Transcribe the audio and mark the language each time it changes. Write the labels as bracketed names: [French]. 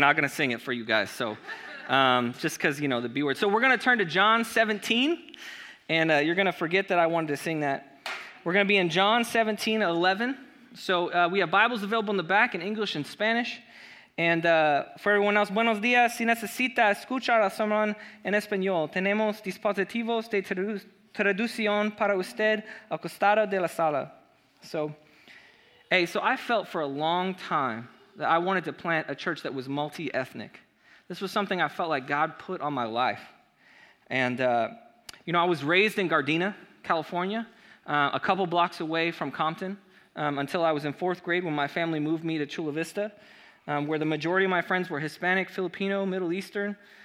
[English] Not going to sing it for you guys. So just because, you know, the B word. So we're going to turn to John 17 and you're going to forget that I wanted to sing that. We're going to be in John 17, 11. So we have Bibles available in the back in English and Spanish. And for everyone else, [Spanish] buenos días. Si necesita escuchar a sermón en español, tenemos dispositivos de traducción para usted al costado de la sala. [English] So... hey, so I felt for a long time that I wanted to plant a church that was multi-ethnic. This was something I felt like God put on my life. And, you know, I was raised in Gardena, California, a couple blocks away from Compton, until I was in fourth grade when my family moved me to Chula Vista, where the majority of my friends were Hispanic, Filipino, Middle Eastern.